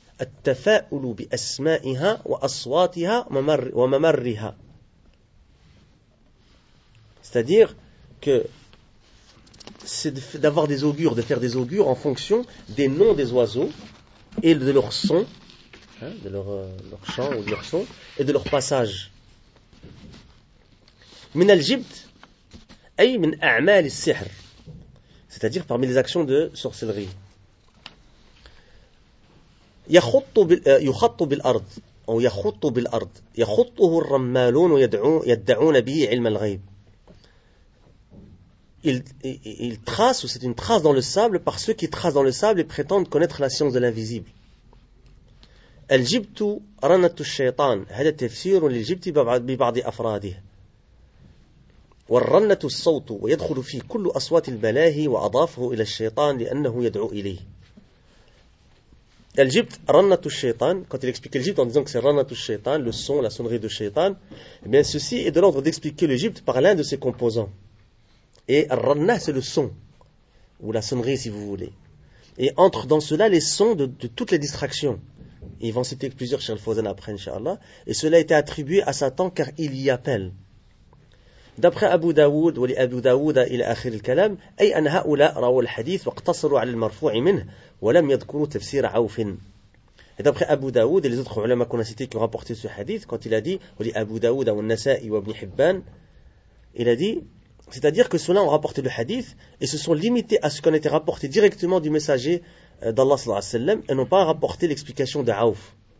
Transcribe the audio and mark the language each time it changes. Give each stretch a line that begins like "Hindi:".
Arabic: التفاؤل بأسمائها وأصواتها وممرها.
French: C'est-à-dire que c'est d'avoir des augures, de faire des augures en fonction des noms des oiseaux et de leur son, hein, de leur chant ou de leur son et de leur passage.
Arabic: من الجبت أي من أعمال السحر.
French: C'est-à-dire parmi les actions de sorcellerie.
Arabic: يخط بالأرض أو يخط بالأرض يخطه الرمالون يدعون به علم الغيب.
French: Il trace, ou c'est une trace dans le sable par ceux qui tracent dans le sable et prétendent connaître la science de l'invisible.
Arabic: الجبت رنة الشيطان هذا تفسير للجبت ببعض أفراده والرنة الصوت ويدخل فيه كل أصوات الملاهي وأضافه إلى الشيطان لأنه يدعو إليه. الجبت رنة الشيطان.
French: Quand il explique le jibt en disant que c'est
Arabic: رنة الشيطان,
French: le son, la sonnerie de Shaitan, eh bien ceci est de l'ordre d'expliquer le jibt par l'un de ses composants. Et رنة, c'est le son, ou la sonnerie si vous voulez. Et entre dans cela les sons de toutes les distractions. Ils vont citer plusieurs Cheikh Al-Fawzan après, Inch'Allah. Et cela a été attribué à Satan car il y appelle. D'après Abu Dawood, ou l'Abu Dawood il a akhir al-kalam,
Arabic: أي أن هؤلاء رأوا الحديث واقتصروا على المرفوع منه ولم يذكروا تفسير عوف.
French: Et d'après Abu Dawood et les autres ulama qu'on a cités qui ont rapporté ce hadith, quand il a dit, ou l'Abu Dawood ou al-Nasa'i ou Ibn Hibban, il a dit, c'est-à-dire que ceux-là ont rapporté le hadith et se sont limités à ce qu'on a été rapporté directement du messager d'Allah sallallahu alayhi wa sallam et n'ont pas rapporté l'explication de عوف.